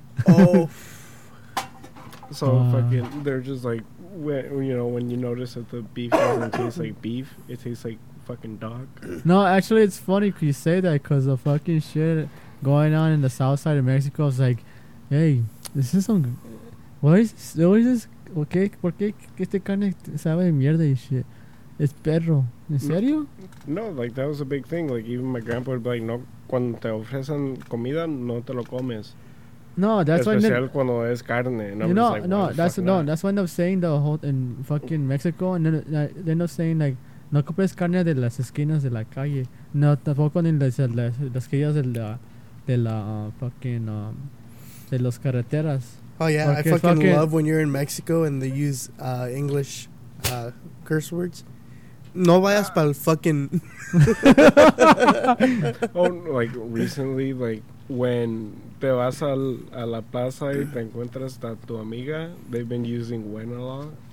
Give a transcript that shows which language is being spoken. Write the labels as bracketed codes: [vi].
[en] Fucking they're just like when you notice that the beef doesn't taste like beef, it tastes like fucking dog. No, actually, it's funny because you say that because the fucking shit going on in the south side of Mexico is like, hey, this is some. What is this? [es] ¿Por qué este carne sabe de mierda y shit? Es perro. ¿En serio? [en] No, like, that was a big thing. Like, even my grandpa would be like, no, cuando te ofrecen comida, no te lo comes. No, that's [es] why. Especial cuando es carne. [en] That's why I end up saying the whole in fucking Mexico, and then they end up saying, like, no compres carne de las esquinas de la calle. [es] No, tampoco ni las esquinas de las carreteras. [en] Oh, yeah. Porque I fucking love when you're in Mexico and they use English curse words. [es] No vayas pa'l fucking... [en] Oh, like, recently, like, when te vas a la plaza y te encuentras a tu amiga, they've been using when a lot.